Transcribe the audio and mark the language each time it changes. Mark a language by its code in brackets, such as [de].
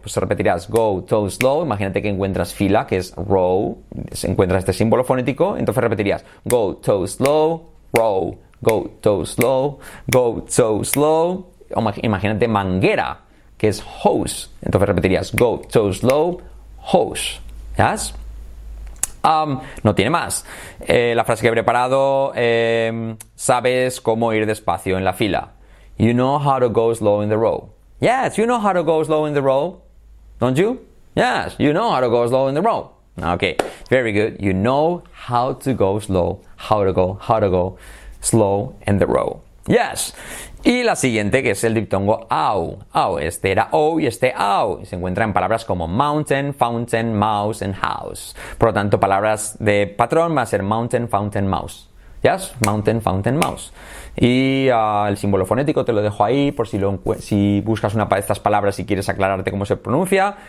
[es] Pues se repetirás, go, toe, slow. Imagínate que encuentras fila, que es row, encuentras este símbolo fonético, entonces repetirías, go, toe, slow, row, go, toe, slow, go, toe, slow. Imagínate manguera, que es hose. Entonces repetirías, go, toe, slow, hose. ¿Yas? No tiene más. La frase que he preparado, sabes cómo ir despacio en la fila. [en] You know how to go slow in the row. Yes, you know how to go slow in the row. Don't you? Yes, you know how to go slow in the row. Ok, very good. You know how to go slow, how to go slow in the row. Yes. [es] Y la siguiente, que es el diptongo au. Au, este era o y este au. Se encuentra en palabras como [en] mountain, fountain, mouse, and house. [es] Por lo tanto, palabras de patrón va a ser mountain, fountain, mouse. [en] ¿Yes? [es] Mountain, fountain, mouse. Y el símbolo fonético te lo dejo ahí por si buscas una de estas palabras y quieres aclararte cómo se pronuncia.